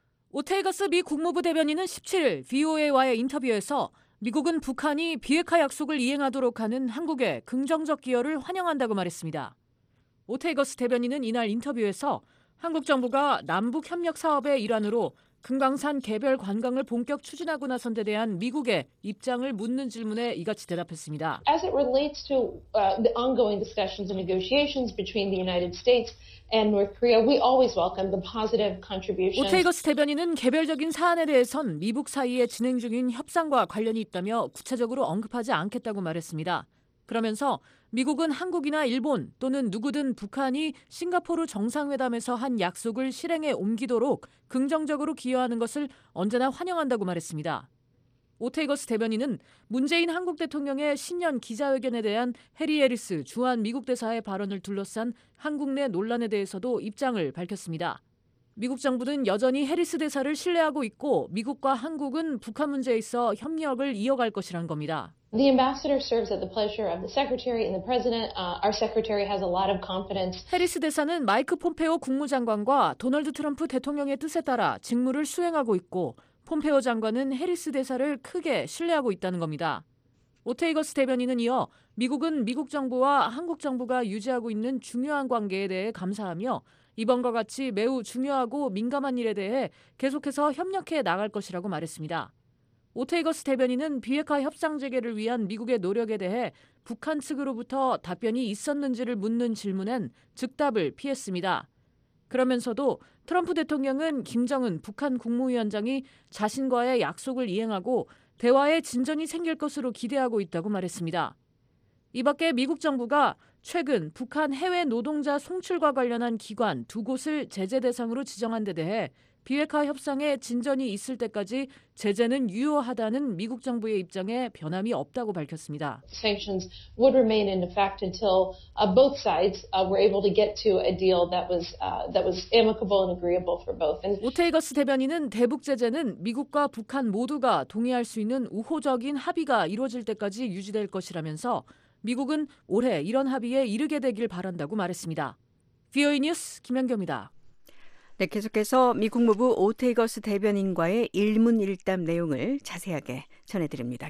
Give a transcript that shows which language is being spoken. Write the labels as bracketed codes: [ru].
[ko] 오테이거스 미 국무부 대변인은 17일 VOA와의 인터뷰에서 미국은 북한이 비핵화 약속을 이행하도록 하는 한국의 긍정적 기여를 환영한다고 말했습니다. 오테이거스 대변인은 이날 인터뷰에서 한국 정부가 남북협력 사업의 일환으로 금강산 개별 관광을 본격 추진하고 나선 데 대한 미국의 입장을 묻는 질문에 이같이 대답했습니다. [en] As it relates to the ongoing discussions and negotiations between the United States and North Korea, we always welcome the positive contributions. [ko] 오테이거스 대변인은 개별적인 사안에 대해선 미북 사이에 진행 중인 협상과 관련이 있다며 구체적으로 언급하지 않겠다고 말했습니다. 그러면서 미국은 한국이나 일본 또는 누구든 북한이 싱가포르 정상회담에서 한 약속을 실행에 옮기도록 긍정적으로 기여하는 것을 언제나 환영한다고 말했습니다. 오테이거스 대변인은 문재인 한국 대통령의 신년 기자회견에 대한 해리 해리스 주한 미국 대사의 발언을 둘러싼 한국 내 논란에 대해서도 입장을 밝혔습니다. 미국 정부는 여전히 해리스 대사를 신뢰하고 있고 미국과 한국은 북한 문제에 있어 협력을 이어갈 것이란 겁니다. [en] The ambassador serves at the pleasure of the secretary and the president. Our secretary has a lot of confidence. [ko] 해리스 대사는 마이크 폼페오 국무장관과 도널드 트럼프 대통령의 뜻에 따라 직무를 수행하고 있고 폼페오 장관은 해리스 대사를 크게 신뢰하고 있다는 겁니다. 오테이거스 대변인은 이어 미국은 미국 정부와 한국 정부가 유지하고 있는 중요한 관계에 대해 감사하며 이번과 같이 매우 중요하고 민감한 일에 대해 계속해서 협력해 나갈 것이라고 말했습니다. 오테이거스 대변인은 비핵화 협상 재개를 위한 미국의 노력에 대해 북한 측으로부터 답변이 있었는지를 묻는 질문엔 즉답을 피했습니다. 그러면서도 트럼프 대통령은 김정은 북한 국무위원장이 자신과의 약속을 이행하고 대화에 진전이 생길 것으로 기대하고 있다고 말했습니다. 이 밖에 미국 정부가 최근 북한 해외 노동자 송출과 관련한 기관 두 곳을 제재 대상으로 지정한 데 대해 비핵화 협상에 진전이 있을 때까지 제재는 유효하다는 미국 정부의 입장에 변함이 없다고 밝혔습니다. [en] Sanctions would remain in effect until both sides were able to get to a deal that was amicable and agreeable for both. [ko] 오테이거스 대변인은 대북 제재는 미국과 북한 모두가 동의할 수 있는 우호적인 합의가 이루어질 때까지 유지될 것이라면서 미국은 올해 이런 합의에 이르게 되길 바란다고 말했습니다. VOA 뉴스 김연경입니다. 네, 계속해서 미 국무부 오테이거스 대변인과의 일문일답 내용을 자세하게 전해드립니다.